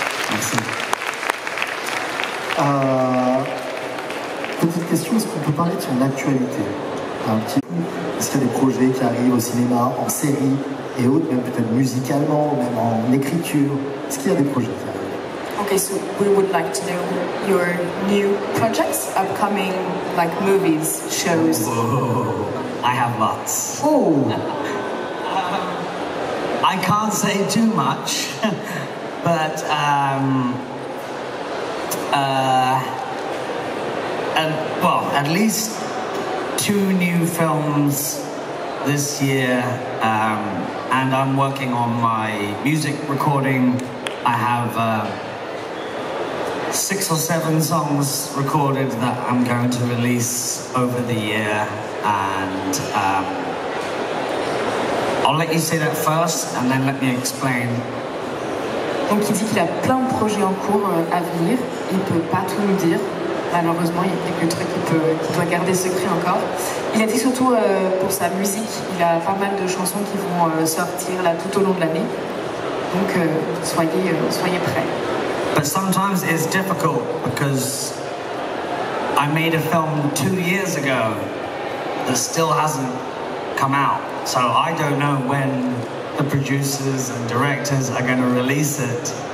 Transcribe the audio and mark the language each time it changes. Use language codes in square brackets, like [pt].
[fr] Merci. Petite question, est-ce qu'on peut parler de son actualité? Un petit coup, est-ce qu'il y a des projets qui arrivent au cinéma, en série et autres, même peut-être musicalement, même en écriture? Est-ce qu'il y a des projets? [en] Okay, so we would like to know your new projects, upcoming like movies, shows. Whoa, I have lots. Oh! I can't say too much, but at least two new films this year, and I'm working on my music recording. I have 6 or 7 songs recorded that I'm going to release over the year, and I'll let you say that first, and then let me explain. [fr] Donc il dit qu'il a plein de projets en cours à venir. Il peut pas tout nous dire. Malheureusement, il y a quelques trucs qu'il doit garder secret encore. Il a dit surtout pour sa musique, il a pas mal de chansons qui vont sortir là tout au long de l'année. Donc soyez prêts. [en] But sometimes it's difficult because I made a film 2 years ago that still hasn't come out. So I don't know when the producers and directors are going to release it.